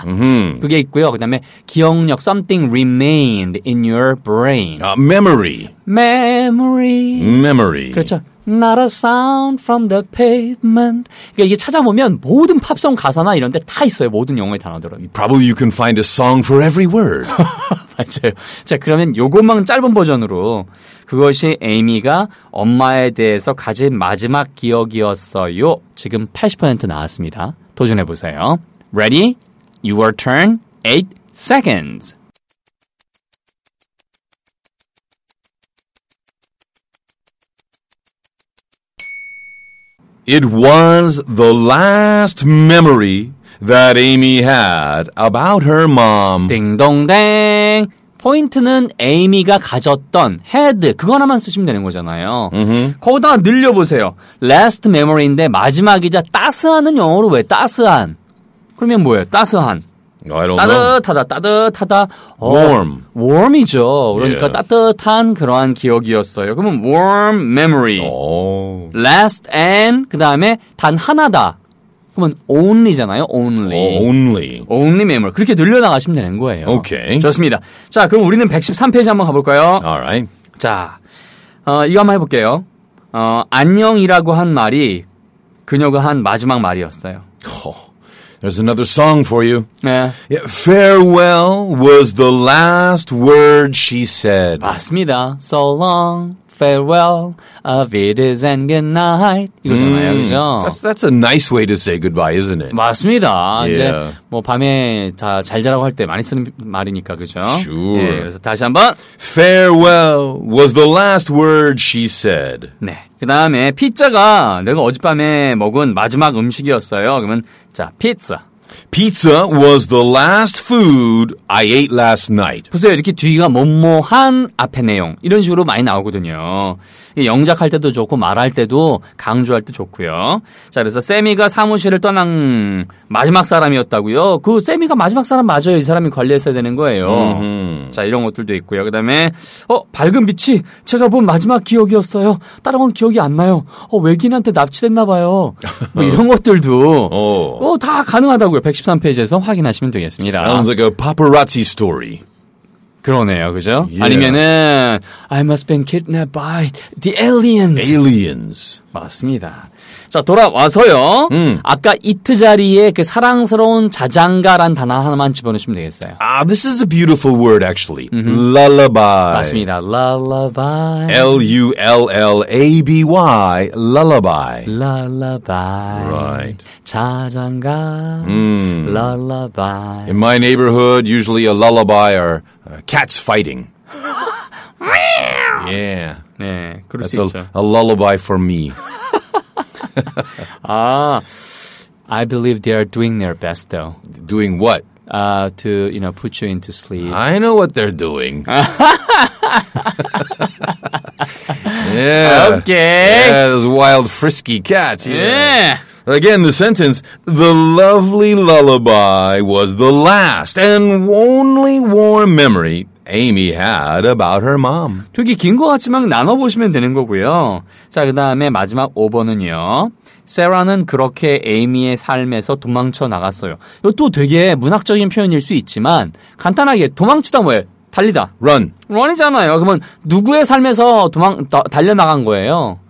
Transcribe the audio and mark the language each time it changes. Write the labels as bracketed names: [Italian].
[Korean] Mm-hmm. 그게 있고요. 그 다음에 기억력, [English] something remained in your brain. Memory. Memory. Memory. [Korean] 그렇죠. [English] Not a sound from the pavement. [Korean] 그러니까 이게 찾아보면 모든 팝송 가사나 이런 데 다 있어요. 모든 영어에 다 나오더라고요. [English] Probably you can find a song for every word. [Korean] 맞아요. 자, 그러면 요것만 짧은 버전으로 그것이 에이미가 엄마에 대해서 가진 마지막 기억이었어요. 지금 80% 나왔습니다. 도전해보세요. [English] Ready? Your turn. 8 seconds. It was the last memory that Amy had about her mom. [Korean] 딩동댕. 포인트는 에이미가 가졌던 had 그거 하나만 쓰시면 되는 거잖아요. 거기다 늘려보세요. Last memory인데 마지막이자 따스한은 영어로 왜 따스한? 그러면 뭐예요? 따스한. [English] I don't [Korean] 따뜻하다, [English] know. [Korean] 따뜻하다. [English] Warm. [Korean] Warm이죠. 그러니까 yeah. 따뜻한 그러한 기억이었어요. [English] 그러면 warm memory. Oh. [Korean] Last and 그 다음에 단 하나다. 그러면 only잖아요. Only. [English] Oh, only. Only memory. [Korean] 그렇게 늘려 나가시면 되는 거예요. 오케이. Okay. 좋습니다. 자, 그럼 우리는 113페이지 한번 가볼까요? [English] Alright. [Korean] 자, 이거 한번 해볼게요. 안녕이라고 한 말이 그녀가 한 마지막 말이었어요. [English] There's another song for you. Yeah. Yeah, farewell was the last word she said. [Korean] 맞습니다. [English] So long, farewell, of it is and good night. [Korean] 이거잖아요, 그죠? [English] That's a nice way to say goodbye, isn't it? [Korean] 맞습니다. [English] Yeah. [Korean] 이제 뭐 밤에 다 잘 자라고 할 때 많이 쓰는 말이니까, 그죠? [English] Sure. [Korean] 예, 그래서 다시 한번. [English] Farewell was the last word she said. [Korean] 네. 그 다음에 피자가 내가 어젯밤에 먹은 마지막 음식이었어요. 그러면 자 피자. [English] Pizza was the last food I ate last night. [Korean] 보세요. 이렇게 뒤가 뭐뭐한 앞에 내용 이런 식으로 많이 나오거든요. 영작할 때도 좋고 말할 때도 강조할 때 좋고요. 자 그래서 세미가 사무실을 떠난 마지막 사람이었다고요. 그 세미가 마지막 사람 맞아요. 이 사람이 관리했어야 되는 거예요. 자 이런 것들도 있고요. 그 다음에 밝은 빛이 제가 본 마지막 기억이었어요. 다른 건 기억이 안 나요. 외계인한테 납치됐나 봐요. 뭐 이런 것들도 다 가능하다고요. 113페이지에서 확인하시면 되겠습니다. [English] Sounds like a paparazzi story. [Korean] 그러네요, 그죠? [English] Yeah. 아니면은 I must have been kidnapped by the aliens. Aliens. [Korean] 맞습니다. 자 돌아와서요. 아까 it 자리에 그 사랑스러운 자장가란 단어 하나만 집어넣으시면 되겠어요. [English] This is a beautiful word actually. Lullaby. [Korean] 맞습니다. Lullaby. [English] L-U-L-L-A-B-Y. Lullaby. Lullaby. Right. [Korean] 자장가. Lullaby. [English] In my neighborhood, usually a lullaby are cats fighting. Yeah. [Korean] 네, 그럴 [English] That's [Korean] 수 있죠. [English] A lullaby for me. I believe they are doing their best, though. Doing what? To, you know, put you into sleep. I know what they're doing. Yeah. Okay. Yeah, those wild, frisky cats. Yeah. Again, the sentence, the lovely lullaby was the last and only warm memory Amy had about her mom. [Korean] 되게 긴 것 같지만 나눠보시면 되는 거고요. 자, 그 다음에 마지막 5번은요. 세라는 그렇게 에이미의 삶에서 도망쳐 나갔어요. 이것도 되게 문학적인 표현일 수 있지만 간단하게 도망치다 뭐예요? 달리다. [English] Run. [Korean] Run이잖아요. 그러면 누구의 삶에서 달려나간 거예요?